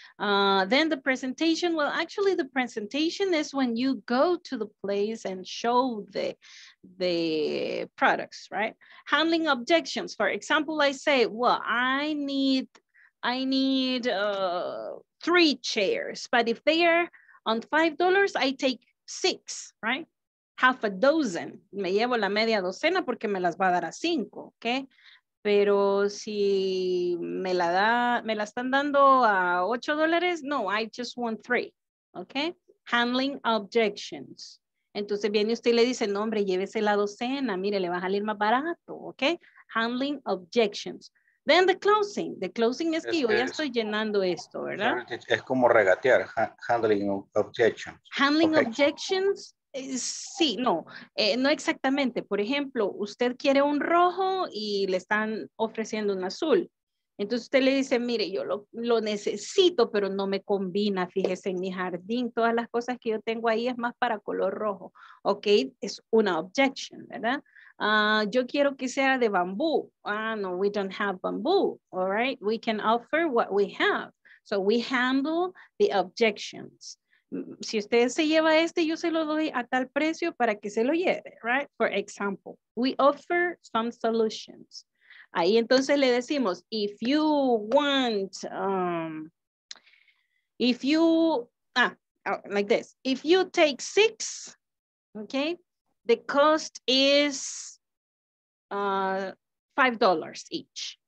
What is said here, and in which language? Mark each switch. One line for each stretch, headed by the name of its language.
English: Then the presentation, well, actually the presentation is when you go to the place and show the products, right? Handling objections, for example, I say, well, I need 3 chairs, but if they are on $5, I take 6, right? Half a dozen,
Spanish: me llevo la media docena porque me las va a dar a 5, ¿ok? Pero si me la están dando a $8, no,
English: I just want 3,
Spanish: ¿ok? Handling objections. Entonces viene usted y le dice, no hombre, llévese la docena, mire, le va a salir más barato, ¿ok? Handling objections.
English: Then the closing
Spanish: es que yo ya estoy llenando esto, ¿verdad? Es como regatear, handling objections. Handling objections. Sí, no, no exactamente. Por ejemplo, usted quiere un rojo y le están ofreciendo un azul. Entonces usted le dice, mire, yo lo necesito, pero no me combina. Fíjese en mi jardín, todas las cosas que yo tengo ahí es más para color rojo. Ok, es una objection, ¿verdad? Yo quiero que sea de bambú.
English: Ah, no, we don't have bambú. All right, we can offer what we have. So we handle the objections.
Spanish: Si usted se lleva este, yo se lo doy a tal precio para que se lo lleve, right?
English: For example, we offer some solutions.
Spanish: Ahí entonces le decimos,
English: if you take 6, okay, the cost is $5 each.